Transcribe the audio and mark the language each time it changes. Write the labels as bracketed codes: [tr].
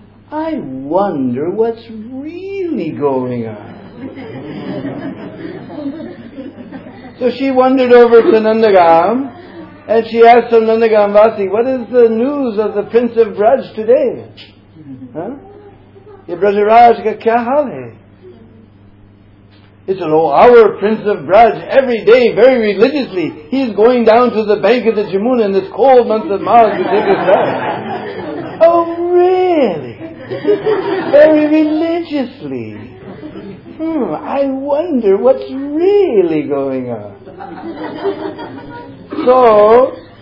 [en] I wonder what's really going on. So she wandered over to Nandagam. And she asked some Nandagam Vasi, what is the news of the Prince of Braj today? [hi] ये ब्रजराज का क्या हाल है? [en] It's an our Prince of Braj, every day, very religiously, he's going down to the bank of the Jamuna in this cold month of Magh to take his bath. Oh, really? Very religiously. I wonder what's really going on. So,